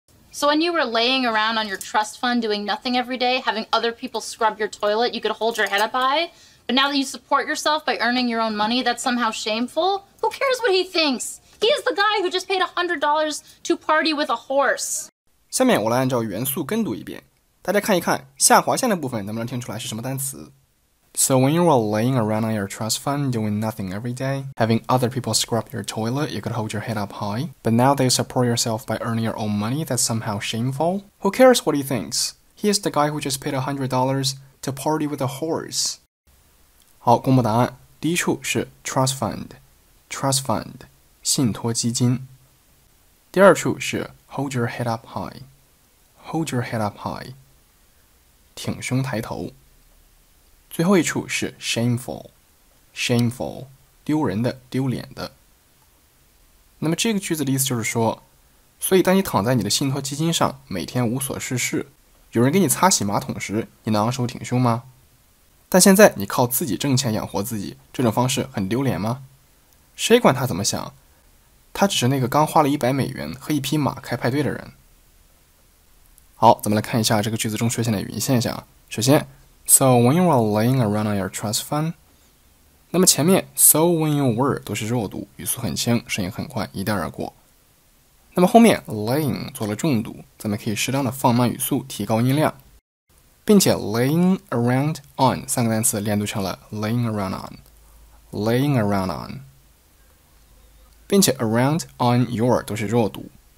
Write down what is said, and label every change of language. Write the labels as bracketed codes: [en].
[en] So when you were laying around on your trust fund doing nothing every day, having other people scrub your toilet, you could hold your head up high. But now that you support yourself by earning your own money, that's somehow shameful? Who cares what he thinks? He is the guy who just paid $100 to party with a horse. [zh] 下面我来按照元素跟读一遍，大家看一看下划线的部分能不能听出来是什么单词。 [en] So when you were laying around on your trust fund doing nothing every day, having other people scrub your toilet, you could hold your head up high. But now that you support yourself by earning your own money, that's somehow shameful. Who cares what he thinks? He is the guy who just paid $100 to party with a horse. [zh] 好，公布答案。第一处是 [en] trust fund, trust fund, [zh] 信托基金。第二处是 [en] hold your head up high, [zh] hold your head up high, 挺胸抬头。最后一处是 shameful, shameful, 丢人的，丢脸的。那么这个句子的意思就是说，所以当你躺在你的信托基金上，每天无所事事，有人给你擦洗马桶时，你能昂首挺胸吗？但现在你靠自己挣钱养活自己，这种方式很丢脸吗？谁管他怎么想？他只是那个刚花了100美元和一匹马开派对的人。好，咱们来看一下这个句子中出现的语音现象。首先， [en] So when you were laying around on your trust fund, [zh] 那么前面 [en] so when you were [zh] 都是弱读，语速很轻，声音很快，一带而过。那么后面 laying 做了重读，咱们可以适当的放慢语速，提高音量，并且 laying around on 三个单词连读成了 [en] laying around on, laying around on, [zh] 并且 [en] around on your [zh] 都是弱读。